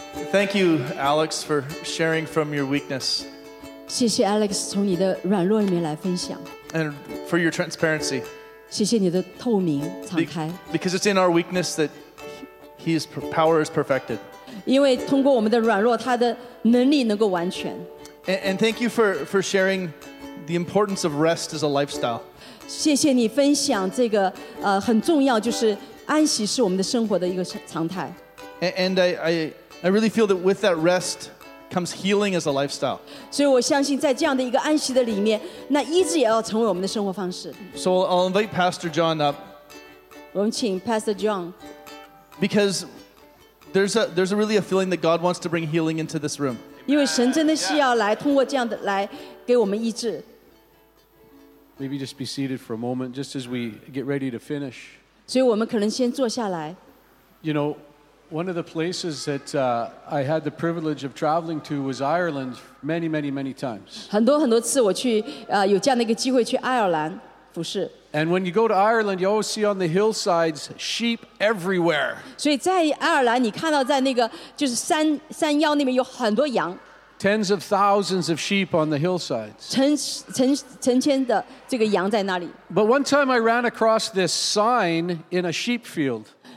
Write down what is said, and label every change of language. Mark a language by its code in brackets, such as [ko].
[en] Thank you, Alex, for sharing from your weakness. [zh] 谢谢 Alex 从你的软弱里面来分享。 [en] And for your transparency. [zh] 谢谢你的透明敞开。 [en] Because it's in our weakness that His power is perfected. [zh] 因为通过我们的软弱，他的能力能够完全。 [en] And thank you for sharing the importance of rest as a lifestyle. [zh] 谢谢你分享这个很重要，就是安息是我们的生活的一个常态。 [en] And I really feel that with that rest comes healing as a lifestyle. [zh] 所以我相信在这样的一个安息的里面, 那医治也要成为我们的生活方式。 [en] So I'll invite Pastor John up. [zh] 我们请 Pastor John. [en] Because there's a really a feeling that God wants to bring healing into this room. [zh] 因为神真的是要来通过这样的来给我们医治。 [en] Maybe just be seated for a moment just as we get ready to finish. [zh] 所以我们可能先坐下来。 [en] You know, one of the places that I had the privilege of traveling to was Ireland many, many, many times. [zh] 很多次我去, 有这样的一个机会去爱尔兰服侍。 [en] And when you go to Ireland, you always see on the hillsides sheep everywhere. [zh] 所以在爱尔兰你看到在那个就是山腰那边有很多羊。 [en] Tens of thousands of sheep on the hillsides. [zh] 成千的这个羊在那里。 [en] But one time I ran across this sign in a sheep field.